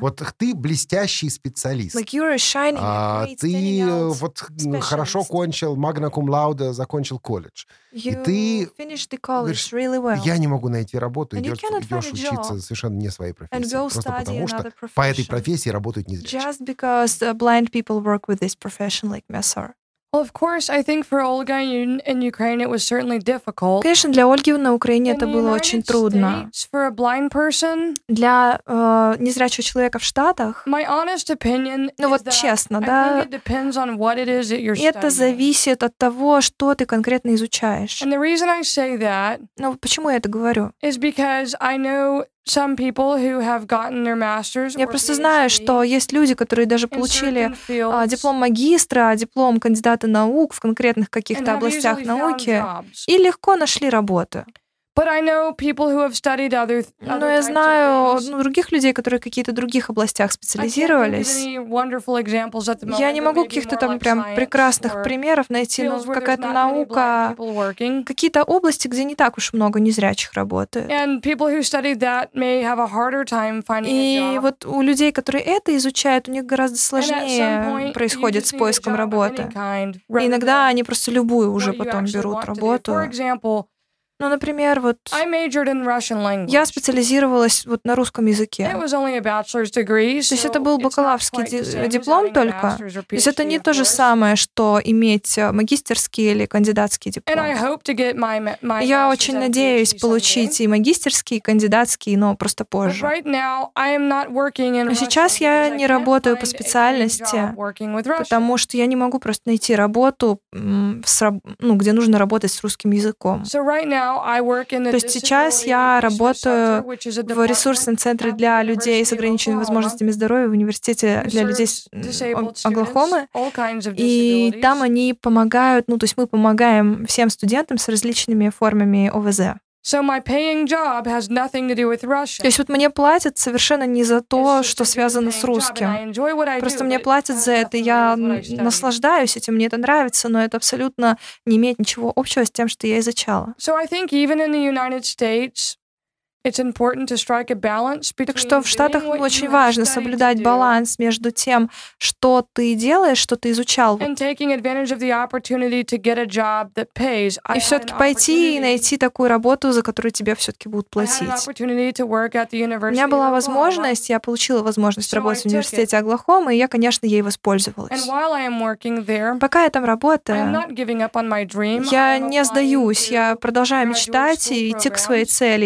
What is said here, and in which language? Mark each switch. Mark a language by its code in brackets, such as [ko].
[ru] вот ты блестящий специалист. [en] Like you're a shining, [ru] а ты вот хорошо кончил, magna cum laude, закончил колледж. [en] You [ru] и ты говоришь, [en] really well. [ru] Я не могу найти работу, идешь учиться совершенно не своей профессии. Просто потому что по этой профессии работают незрячие. [en] Just because blind people work with this profession like Messer. Well, of course, I think for Olga in Ukraine it was certainly difficult. [ru] Конечно, для Ольги на Украине это было очень трудно. [en] For a blind person, [ru] для незрячего человека в Штатах. [en] My honest opinion is [ru] ну вот честно, да. [en] It depends on what it is that you're studying. [ru] Это зависит от того, что ты конкретно изучаешь. [en] And the reason I say that. [ru] Ну почему я это говорю? [en] Is because I know some people who have gotten their masters. [ru] Я просто знаю, что есть люди, которые даже получили диплом магистра, диплом кандидата наук в конкретных каких-то областях науки и легко нашли работу. [en] But I know people who have studied other types. [ru] Но я знаю других людей, которые в каких-то других областях специализировались. Я не могу каких-то там прям прекрасных примеров найти, но какая-то наука, какие-то области, где не так уж много незрячих работает. [en] And people who studied that may have a harder time finding a job. [ru] И вот у людей, которые это изучают, у них гораздо сложнее происходит с поиском работы. Иногда они просто любую уже потом берут работу. Ну, например, вот я специализировалась вот на русском языке. То есть это был бакалаврский диплом только. То есть это не то же самое, что иметь магистерский или кандидатский диплом. Я очень надеюсь получить и магистерский, и кандидатский, но просто позже. Но сейчас я не работаю по специальности, потому что я не могу просто найти работу, где нужно работать с русским языком. То есть сейчас я работаю в ресурсном центре для людей с ограниченными возможностями здоровья в университете для людей с Оклахомы. И там они помогают, ну, то есть мы помогаем всем студентам с различными формами ОВЗ. [en] So my paying job has nothing to do with Russian. [ru] То есть вот мне платят совершенно не за то, что связано с русским. Просто мне платят за это, я наслаждаюсь этим, мне это нравится, но это абсолютно не имеет ничего общего с тем, что я изучала. [en] So I think even in the United States, it's important to strike a balance between. [ru] Так что в Штатах очень важно соблюдать баланс между тем, что ты делаешь, что ты изучал. [en] And taking advantage of the opportunity to get a job that pays. [ru] И все-таки пойти и найти такую работу, за которую тебе все-таки будут платить. У меня была возможность, я получила возможность работать в университете Оклахомы, и я, конечно, ей воспользовалась. Пока я там работаю, я не сдаюсь, я продолжаю мечтать и идти к своей цели.